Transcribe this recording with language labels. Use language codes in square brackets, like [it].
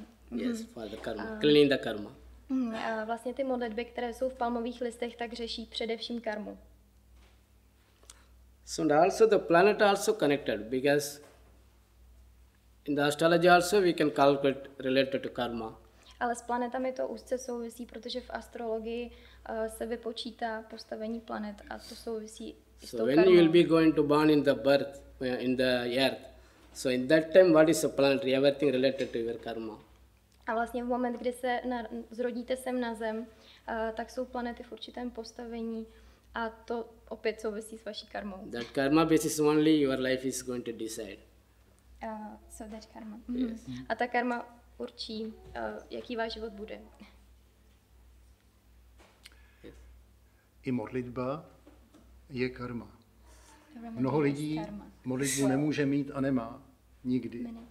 [en] Yes, for the karma, cleaning the karma. [cs] Vlastně ty modlitby, které jsou v palmových listech, tak řeší především karmu. [en] So also the planet also connected because. In the astrology also we can calculate related to karma. [cs] Ale s planetami to úzce souvisí, protože v astrologii se vypočítá postavení planet a to souvisí s tou karmou. [en] So when you will be going to born in the birth in the earth. So in that time what is a planet everything related to your karma. [cs] A vlastně v moment, kdy se zrodíte sem na zem, tak jsou planety v určitém postavení a to opět souvisí s vaší karmou. [en] That karma basis only your life is going to decide. So that karma. Yes. [cs] A ta karma určí, jaký váš život bude. I modlitba je karma. Mnoho lidí modlitbu nemůže mít a nemá nikdy.